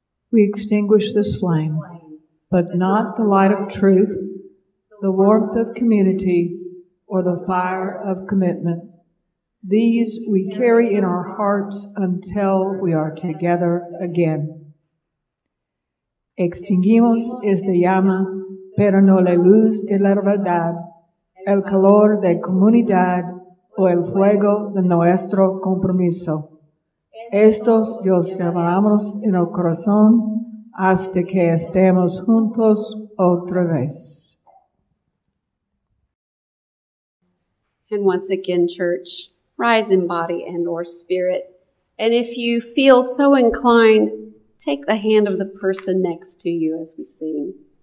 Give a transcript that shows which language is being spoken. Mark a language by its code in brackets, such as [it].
[en] We extinguish this flame, but not the light of truth, the warmth of community, or the fire of commitment. These we carry in our hearts until we are together again. [es] Extinguimos esta llama, pero no la luz de la verdad, el calor de comunidad, o el fuego de nuestro compromiso. Estos los llevamos en el corazón, hasta que estemos juntos otra vez. [en] And once again, church, rise in body and or spirit. And if you feel so inclined, take the hand of the person next to you as we sing.